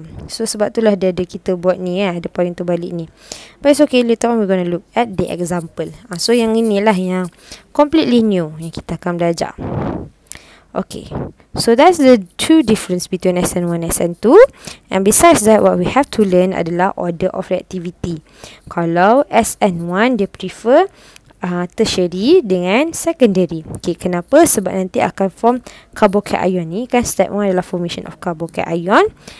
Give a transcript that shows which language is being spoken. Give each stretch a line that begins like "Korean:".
Malay: So sebab itulah dia ada kita buat ni, ada payung terbalik ni.
English: But it's okay, later on we're going to look at the example.
Malay: So yang inilah yang
English: completely new
Malay: yang kita akan belajar.
English: Okay, so that's the two difference between SN1 and SN2. And besides that, what we have to learn
Malay: adalah
English: order of reactivity.
Malay: Kalau SN1, dia prefer tertiary dengan secondary. Okay, kenapa? Sebab nanti akan form carbocation ni. Kan step 1 adalah formation of carbocation.